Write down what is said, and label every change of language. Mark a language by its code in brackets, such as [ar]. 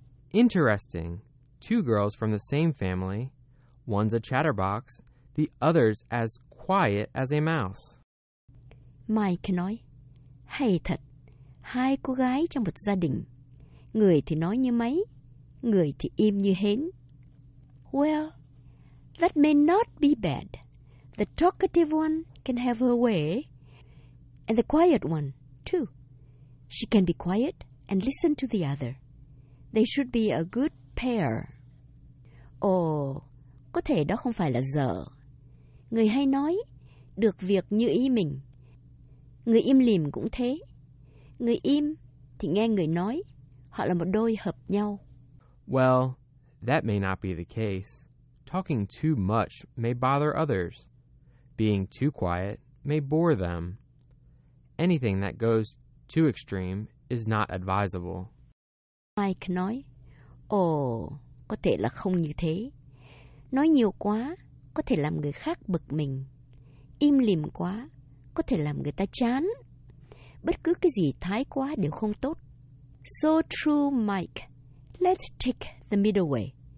[en] Interesting. Two girls from the same family. One's a chatterbox, the other's as quiet as a mouse. [vi] Mike nói, hay thật. Hai cô gái trong một gia đình. Người thì nói như máy, người thì im như hến. [en] Well, that may not be bad. The talkative one can have her way, and the quiet one, too. She can be quiet and listen to the other. They should be a good pair. [vi] Oh, có thể đó không phải là dở. Người hay nói, được việc như ý mình. Người im lìm cũng thế. Người im thì nghe người nói, họ là một đôi hợp nhau. [en] Well, that may not be the case. Talking too much may bother others. Being too quiet may bore them. Anything that goes too extreme is not advisable. [vi] Mike nói, ồ, có thể là không như thế. Nói nhiều quá có thể làm người khác bực mình. Im lìm quá có thể làm người ta chán. Bất cứ cái gì thái quá đều không tốt. [en] So true, Mike. Let's take the middle way.